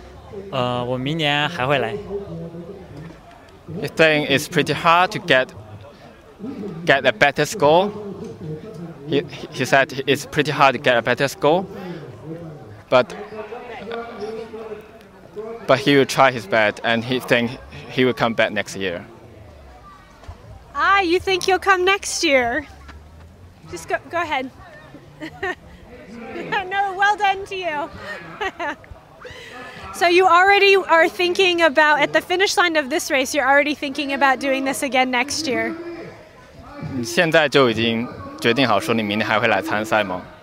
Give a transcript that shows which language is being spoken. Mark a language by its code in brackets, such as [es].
[zh] 马拉松比赛，然后就越野跑比九小时更好的成绩的话，我感觉很难吧。但是我还是比较喜欢去挑战吧。可能我明年还会来。应该是不是还会吧？是肯定会来。其实因为我今天是输掉的。我明年还会来。 [en] You think it's pretty hard to get a better score? He said it's pretty hard to get a better score, but he will try his best, and he thinks he will come back next year. Ah, you think he'll come next year? Just go ahead. No, well done to you. So you already are thinking about, at the finish line of this race, you're already thinking about doing this again next year. [zh] 你现在就已经决定好说你明天还会来参赛吗？